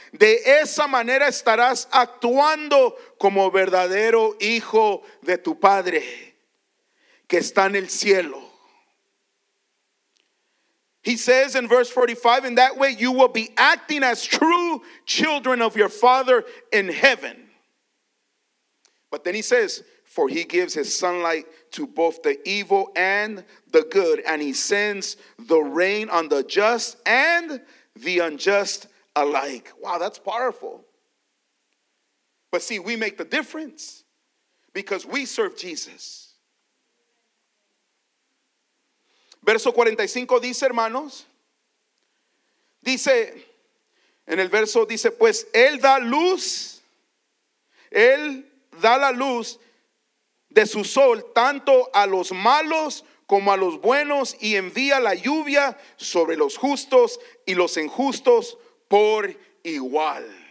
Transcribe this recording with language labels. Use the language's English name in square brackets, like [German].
[Spanish] De esa manera estarás actuando como verdadero hijo de tu Padre que está en el cielo. [English] He says in verse 45, in that way you will be acting as true children of your Father in heaven. But then he says, for he gives his sunlight to both the evil and the good, and he sends the rain on the just and the unjust alike. Wow, that's powerful. But see, we make the difference because we serve Jesus. [Spanish] Verso 45 dice, hermanos, dice, en el verso dice, pues él da la luz de su sol, tanto a los malos como a los buenos, y envía la lluvia sobre los justos y los injustos por igual.